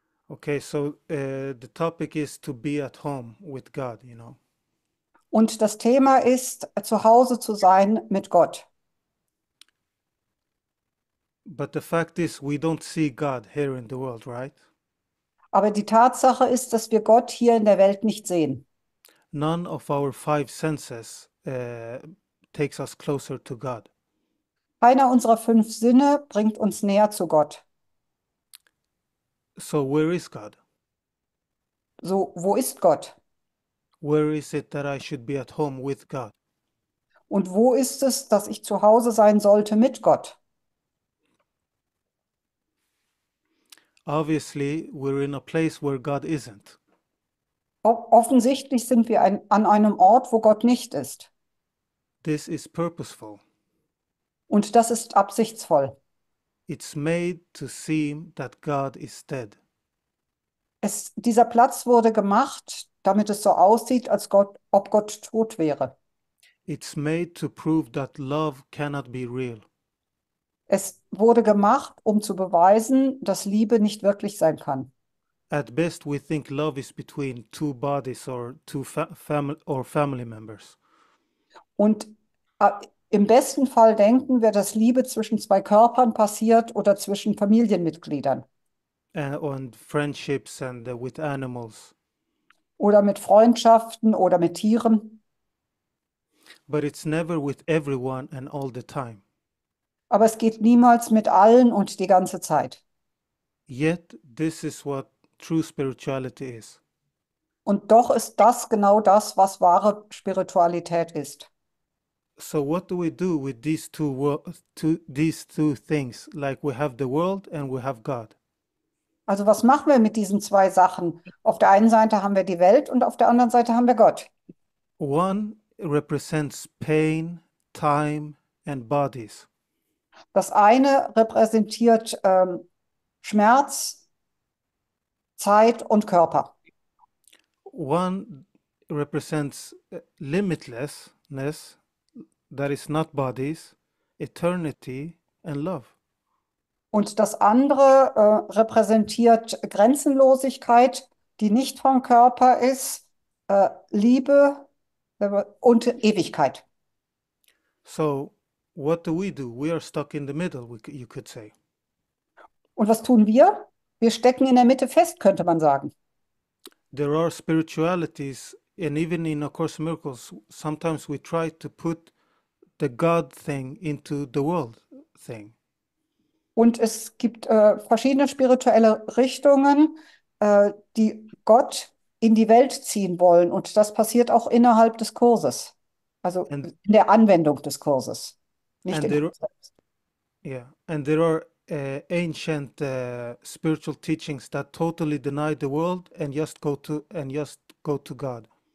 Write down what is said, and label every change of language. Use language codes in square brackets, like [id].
[en] Okay, so the topic is to be at home with God, you know. [de] Und das Thema ist, zu Hause zu sein mit Gott. [en] But the fact is, we don't see God here in the world, right? [de] Aber die Tatsache ist, dass wir Gott hier in der Welt nicht sehen. [en] None of our five senses takes us closer to God. [de] Keiner unserer fünf Sinne bringt uns näher zu Gott. [en] So where is God? [de] So, wo ist Gott? [en] Where is it that I should be at home with God? [de] Und wo ist es, dass ich zu Hause sein sollte mit Gott? [en] Obviously, we're in a place where God isn't. [de] Offensichtlich sind wir an einem Ort, wo Gott nicht ist. [en] This is purposeful. [de] Und das ist absichtsvoll. [en] It's made to seem that God is dead. [de] Dieser Platz wurde gemacht, damit es so aussieht, als ob Gott tot wäre. [en] It's made to prove that love cannot be real. [de] Es wurde gemacht, um zu beweisen, dass Liebe nicht wirklich sein kann. [en] At best, we think love is between two bodies or two family members. [de] Und im besten Fall denken wir, dass Liebe zwischen zwei Körpern passiert oder zwischen Familienmitgliedern. [en] And friendships and with animals. [de] Oder mit Freundschaften oder mit Tieren. [en] But it's never with everyone and all the time. [de] Aber es geht niemals mit allen und die ganze Zeit. [en] Yet this is what true spirituality is. [de] Und doch ist das genau das, was wahre Spiritualität ist. [en] So what do we do with these two things? Like we have the world and we have God. [de] Also was machen wir mit diesen zwei Sachen? Auf der einen Seite haben wir die Welt und auf der anderen Seite haben wir Gott. [en] One represents pain, time and bodies. [de] Das eine repräsentiert Schmerz, Zeit und Körper. [en] One represents limitlessness, that is not bodies, eternity and love. [de] Und das andere repräsentiert Grenzenlosigkeit, die nicht vom Körper ist, Liebe und Ewigkeit. [en] So, what do we do? We are stuck in the middle, you could say. [de] Und was tun wir? Wir stecken in der Mitte fest, könnte man sagen. [en] There are spiritualities, and even in A Course in Miracles, sometimes we try to put the God thing into the world thing. [de] Und es gibt verschiedene spirituelle Richtungen, die Gott in die Welt ziehen wollen. Und das passiert auch innerhalb des Kurses, also [en] And [de] in der Anwendung des Kurses, nicht im Kurs selbst. [en] there are ancient spiritual teachings that totally deny the world and just go to God.